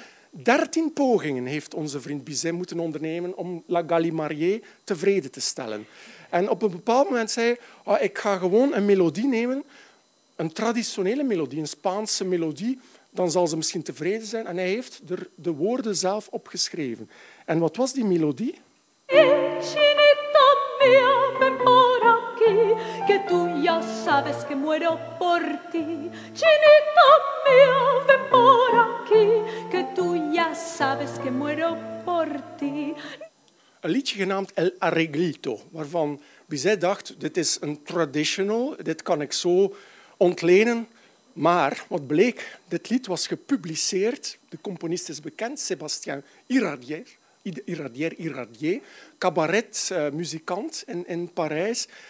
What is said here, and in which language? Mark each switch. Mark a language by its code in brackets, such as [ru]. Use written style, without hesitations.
[nl] 13 pogingen heeft onze vriend Bizet moeten ondernemen om La Gallimarié tevreden te stellen. En op een bepaald moment zei hij, ik ga gewoon een melodie nemen, een traditionele melodie, een Spaanse melodie, dan zal ze misschien tevreden zijn. En hij heeft er de woorden zelf opgeschreven. En wat was die melodie? [es] Chinita mia, ven por aquí, que tú ya sabes que muero por ti. Chinita mia, ven por aquí, que tú ya sabes que muero por ti. [nl] Een liedje genaamd El Arreglito, waarvan Bizet dacht, dit is een traditional, dit kan ik zo ontlenen. Maar wat bleek, dit lied was gepubliceerd. De componist is bekend, Sébastien Iradier, cabaretmuzikant in Parijs.